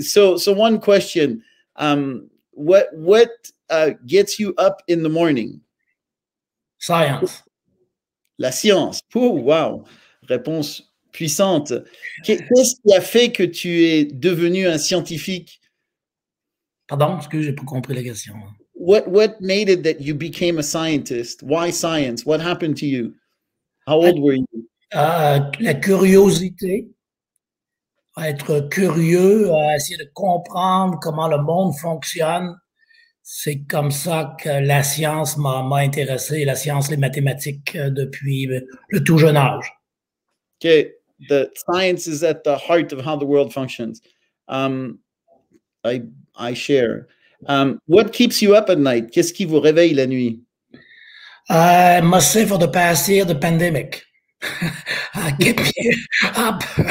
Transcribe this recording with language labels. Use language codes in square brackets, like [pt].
[en] So one question. What gets you up in the morning? Science. [fr] La science. Oh, wow. Réponse puissante. Qu'est-ce qui a fait que tu es devenu un scientifique? Pardon, parce que j'ai pas compris la question. [en] What made it that you became a scientist? Why science? What happened to you? How old were you? [fr] La curiosité. Être curieux, essayer de comprendre comment le monde fonctionne. C'est comme ça que la science m'a intéressé, la science, les mathématiques, depuis le tout jeune âge. [en] OK. The science is at the heart of how the world functions. I share. What keeps you up at night? [fr] Qu'est-ce qui vous réveille la nuit? [en] I must say for the past year, the pandemic. Keep me up.